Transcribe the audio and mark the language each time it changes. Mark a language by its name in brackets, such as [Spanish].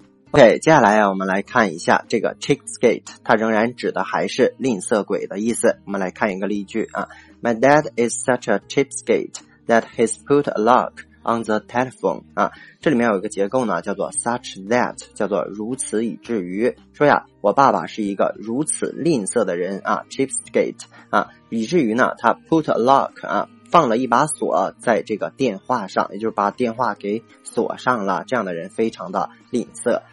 [Chinese] OK， 接下来啊我们来看一下这个 cheapskate， 它仍然指的还是吝啬鬼的意思。我们来看一个例句啊。 [English] My dad is such a cheapskate that he's put a lock on the telephone. [Chinese] 啊，这里面有一个结构呢叫做 such that， 叫做如此以至于。说呀我爸爸是一个如此吝啬的人啊， cheapskate， 啊以至于呢他 [English] put a lock [Chinese] 啊，放了一把锁在这个电话上，也就是把电话给锁上了，这样的人非常的吝啬。